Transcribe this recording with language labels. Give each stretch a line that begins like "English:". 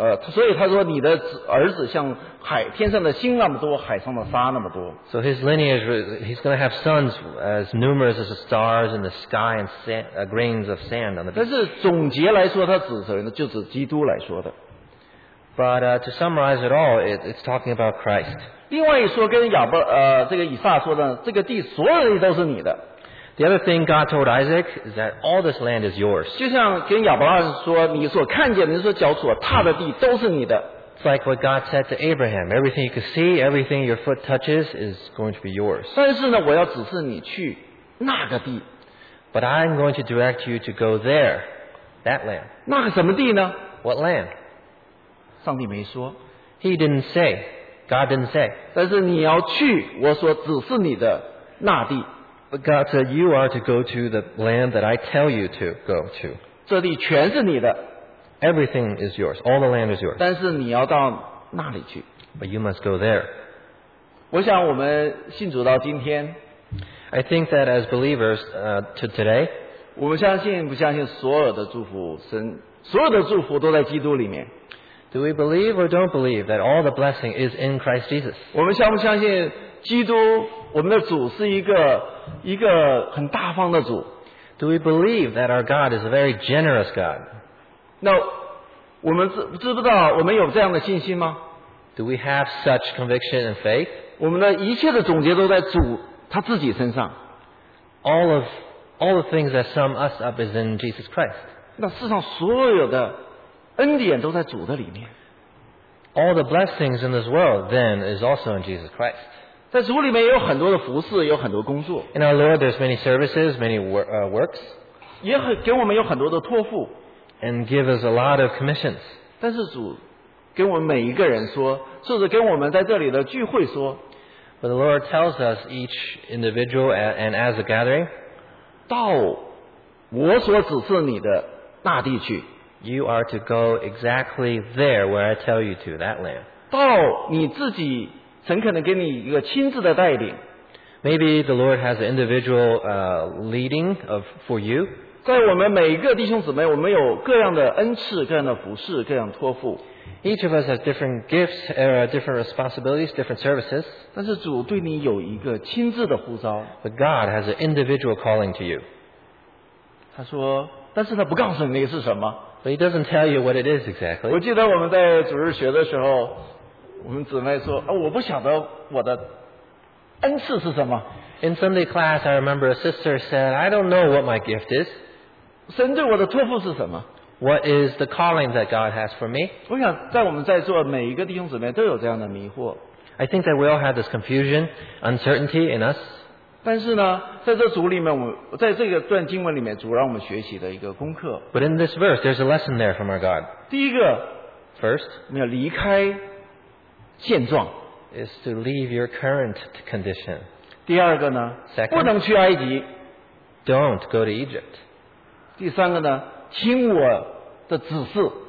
Chinese: 所以他说你的儿子像海天上的星那么多，海上的沙那么多。
English: So his lineage, he's going to have sons as numerous as the stars in the sky and sand, grains of sand on the beach.
Chinese: 但是总结来说，他指谁呢？就指基督来说的。
English: But to summarize it all, it's talking about Christ.
Chinese: 另外一说，跟亚伯这个以撒说的，这个地所有的都是你的。
English: The other thing God told Isaac is that all this land is yours.
Chinese: 就像跟亚伯拉罕说，你所看见的，你所脚所踏的地都是你的。
English: It's like what God said to Abraham. Everything you can see, everything your foot touches is going to be yours.
Chinese: 但是呢，我要指示你去那个地。
English: But I'm going to direct you to go there, that land.
Chinese: 那个什么地呢？
English: What land?
Chinese: 上帝没说。
English: He didn't say. God didn't say.
Chinese: 但是你要去我所指示你的那地。
English: But God said, you are to go to the land that I tell you to go to.
Chinese: 这里全是你的。
English: Everything is yours. All the land is yours.
Chinese: 但是你要到那里去。
English: But you must go there.
Chinese: 我想我们信主到今天。
English: I think that as believers, to today,
Chinese: 我们相信不相信所有的祝福，所有的祝福都在基督里面。
English: Do we believe or don't believe that all the blessing is in Christ Jesus?
Chinese: 我们相不相信基督我们的主是一个很大方的主？
English: Do we believe that our God is a very generous God?
Chinese: 那我们知不知道我们有这样的信心吗？
English: Do we have such conviction and faith?
Chinese: 我们的一切的总结都在主他自己身上。
English: All the things that sum us up is in Jesus Christ.
Chinese: 那世上所有的恩典都在主的里面。
English: All the blessings in this world then is also in Jesus Christ.
Chinese: 在主里面有很多的服事，有很多工作。
English: In our Lord there's many services, many works.
Chinese: 也给我们有很多的托付。
English: And give us a lot of commissions.
Chinese: 但是主给我们每一个人说，甚至跟我们在这里的聚会说。
English: But the Lord tells us each individual and as a gathering,
Chinese: 到我所指示你的那地去。
English: You are to go exactly there where I tell you to, that land.
Chinese: 到你自己神可能给你一个亲自的带领。
English: Maybe the Lord has an individual leading for you.
Chinese: 在我们每一个弟兄姊妹，我们有各样的恩赐、各样的服事、各样托付。
English: Each of us has different gifts, different responsibilities, different services.
Chinese: 但是主对你有一个亲自的呼召。
English: But God has an individual calling to you.
Chinese: 他说，但是他不告诉你那个是什么。
English: But he doesn't tell you what it is exactly.
Chinese: 我记得我们在主日学的时候，我们姊妹说，我不晓得我的恩赐是什么。
English: In Sunday class, I remember a sister said, I don't know what my gift is.
Chinese: 神对我的托付是什么？
English: What is the calling that God has for me?
Chinese: 我想在我们在座每一个弟兄姊妹都有这样的迷惑。
English: I think that we all have this confusion, uncertainty in us.
Chinese: 但是呢，在这主里面，在这个段经文里面，主让我们学习的一个功课。
English: But in this verse, there's a lesson there from our God.
Chinese: 第一个
English: ，first，
Chinese: 你要离开现状
English: ，is to leave your current condition.
Chinese: 第二个呢
English: ，second，
Chinese: 不能去埃及
English: ，don't go to Egypt.
Chinese: 第三个呢，听我的指示。